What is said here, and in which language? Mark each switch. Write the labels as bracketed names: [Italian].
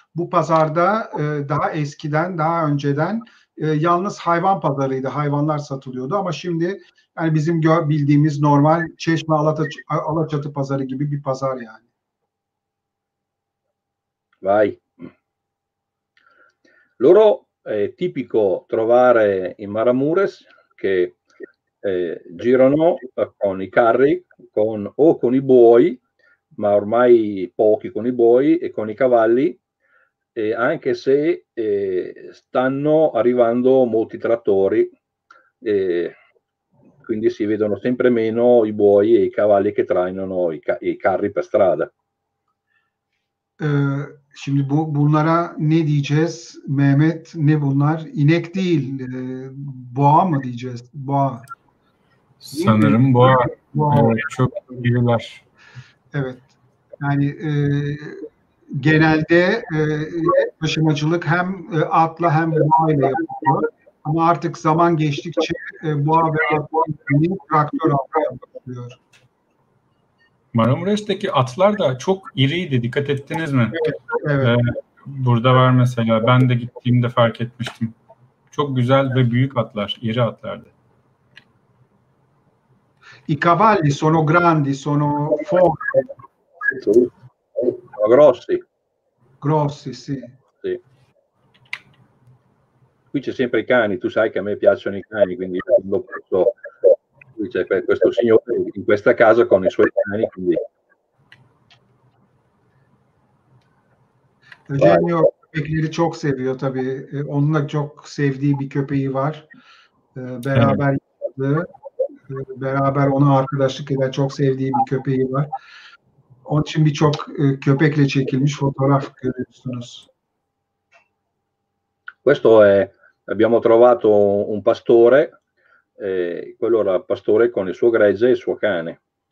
[Turkish] Bu pazarda daha önceden yalnız hayvan pazarıydı. Hayvanlar satılıyordu ama şimdi yani bizim bildiğimiz normal Çeşme Alaçatı pazarı gibi bir pazar yani. [Italian] Vai. Loro è tipico trovare in Maramures che girano con i carri con i buoi, ma ormai pochi con i buoi e con i cavalli, e anche se stanno arrivando molti trattori, quindi si vedono sempre meno i buoi e i cavalli che trainano i carri per strada. [Turkish] Şimdi bunlara ne diyeceğiz Mehmet? Ne bunlar? İnek değil. Boğa mı diyeceğiz? Boğa. Sanırım boğa. Boğa. Evet, çok iyiler. Evet. Yani genelde taşımacılık hem atla hem boğa ile yapılıyor. Ama artık zaman geçtikçe boğa ve atların traktör atla yapılıyor. Marmaris'teki atlar da çok iriydi. Dikkat ettiniz mi? Evet. Burada var mesela. Ben de gittiğimde fark etmiştim. Çok güzel ve büyük atlar. İri atlardı. [Italian] I cavalli sono grandi, sono forti. Grossi. Grossi, sì. Sì. Qui c'è sempre i cani. Tu sai che a me piacciono i cani, quindi lo posso... C'è questo signore in questa casa con i suoi cani, quindi... [Turkish] Eugenio köpekleri çok seviyor tabii. Onunla çok sevdiği bir köpeği var. Beraber yaşadı. Beraber ona arkadaşlık eden çok sevdiği bir köpeği var. Onun için birçok köpekle çekilmiş fotoğraf görüyorsunuz. [Italian] Questo è abbiamo trovato un pastore. Quello era pastore con il suo gregge e il suo cane.